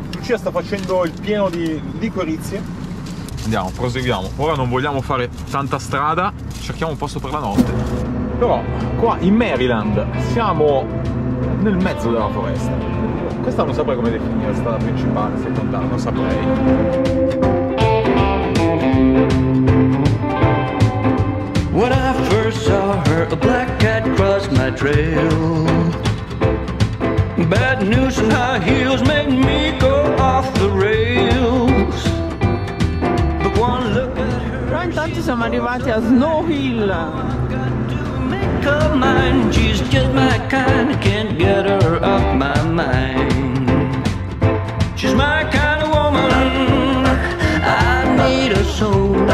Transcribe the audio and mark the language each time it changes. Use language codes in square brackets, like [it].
[it] Lucia sta facendo il pieno di liquirizie. Andiamo, proseguiamo. Ora non vogliamo fare tanta strada, cerchiamo un posto per la notte. Però qua in Maryland siamo nel mezzo della foresta. Questa non saprei come definire la strada principale, se contare, non saprei. [en] When I first saw her, a black cat crossed my trail. Bad news and high heels made me go off the rails. But one look at her. [it] Intanto siamo arrivati a Snow Hill. [en] Come on, she's just my kind, can't get her off my mind. She's my kind of woman, I need a soul.